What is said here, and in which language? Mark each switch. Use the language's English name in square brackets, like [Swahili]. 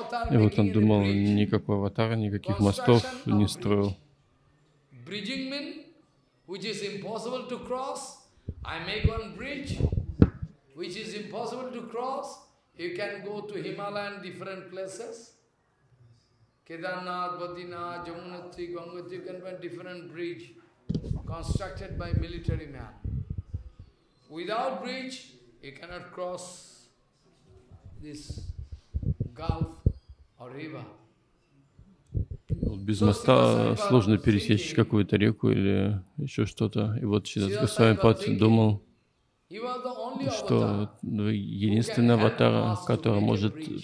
[Russian] И вот он думал, никакого аватара, никаких мостов не строил. [English] Bridging mean, which is impossible to cross, I make one bridge, which is impossible to cross. You can go to Himalayan different places. Kedarnath, Badrinath, Jamunatri, Gangotri, you can find different bridge constructed by military man. Without bridge, you cannot cross this gulf or river. [Russian] Без моста сложно пересечь какую-то реку или еще что-то. И вот Шридас Госвамипад думал, что единственный аватар, который может...